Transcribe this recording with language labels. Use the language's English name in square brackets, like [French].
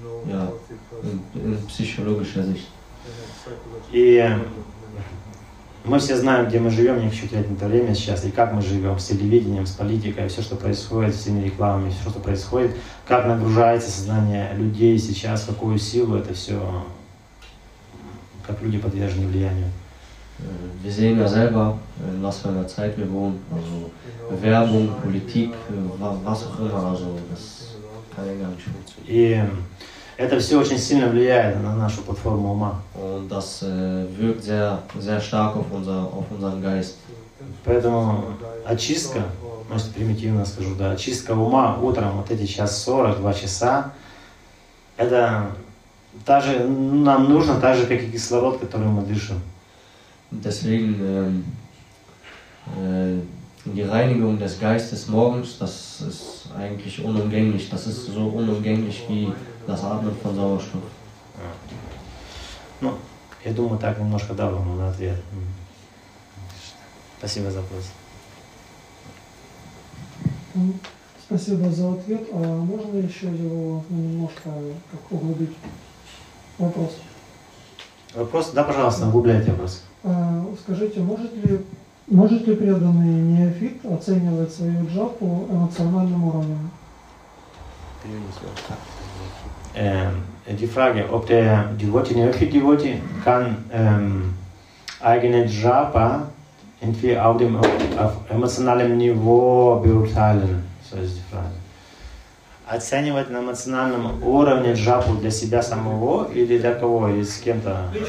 [German] Ja, in psychologischer Sicht. [Russian] И мы все знаем, где мы живем, не хочу терять на это время сейчас, и как мы живем, с телевидением, с политикой, все, что происходит, с всеми рекламами, все, что происходит, как нагружается сознание людей сейчас, какую силу это все, как люди подвержены влиянию. [German] Wir sehen ja selber, in was für einer Zeit wir wohnen, also Werbung, Politik, was auch immer, also das kann ja gar nicht funktionieren. [Russian] Это все очень сильно влияет на нашу платформу ума. [German] Und das wirkt sehr, sehr stark auf unseren Geist. [Russian] Поэтому очистка, может примитивно скажу, да, очистка ума утром, вот эти час 42 часа, это та же, нам нужно так же, как и кислород, который мы дышим. [German] Deswegen die Reinigung des Geistes morgens, das ist eigentlich unumgänglich. Das ist so unumgänglich wie das Atmen von Sauerstoff. [Russian] Ну, я думаю, так немножко дал вам на ответ. Спасибо за вопрос. Спасибо за ответ. А можно еще его немножко как углубить? Вопрос. Вопрос? Да, пожалуйста, углубляйте вопрос. Скажите, может ли преданный неофит оценивать свою джапу эмоциональным уровнем? [German] Die Frage, ob der Devotee, Neophyt Devotee, kann eigene Japa entweder auf emotionalem Niveau beurteilen, so ist die Frage. [Russian] Оценивать на эмоциональном уровне джапу для себя самого или для кого, или с кем-то?